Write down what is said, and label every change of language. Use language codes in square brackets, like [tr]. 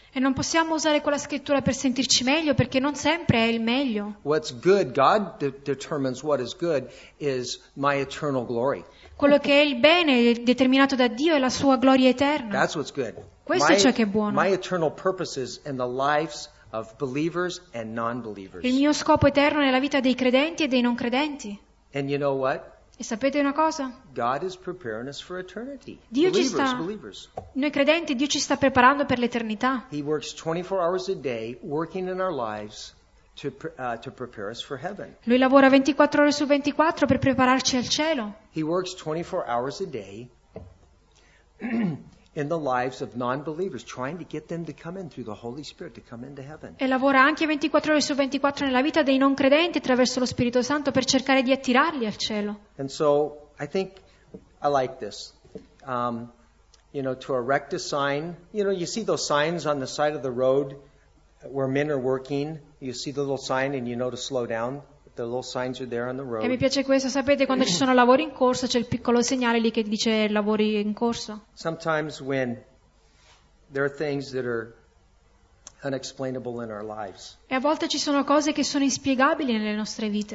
[it] E non possiamo usare quella scrittura per sentirci meglio, perché non sempre è il meglio. [en] What's good, God determines what is good, is my eternal glory. [it] Quello che è il bene determinato da Dio è la sua gloria eterna. [en] That's what's good. [it] Questo è ciò che è buono. [en] My eternal purposes in the lives of believers and non-believers. [it] Il mio scopo eterno nella vita dei credenti e dei non credenti. [en] And you know what? [it] E sapete una cosa? [en] God is preparing us for eternity. [it] Dio [en] believers, [it] ci sta, [en] believers. [it] Noi credenti, Dio ci sta preparando per l'eternità. [en] He works 24 hours a day working in our lives to prepare us for heaven. [it] Lui lavora 24 ore su 24 per prepararci al cielo. [en] He works 24 hours a day in the lives of non-believers, trying to get them to come in through the Holy Spirit to come into heaven. [it] E lavora anche 24 ore su 24 nella vita dei non credenti attraverso lo Spirito Santo per cercare di attirarli al cielo. [en] And so I think I like this. You know, to erect a sign. You know, you see those signs on the side of the road where men are working. You see the little sign and you know to slow down. The little signs are there on the road. [it] E mi piace questo, sapete, quando ci sono lavori in corso, c'è il piccolo segnale lì che dice lavori in corso. [en] Sometimes when there are things that are unexplainable in our lives. [it] E a volte ci sono cose che sono inspiegabili nelle nostre vite.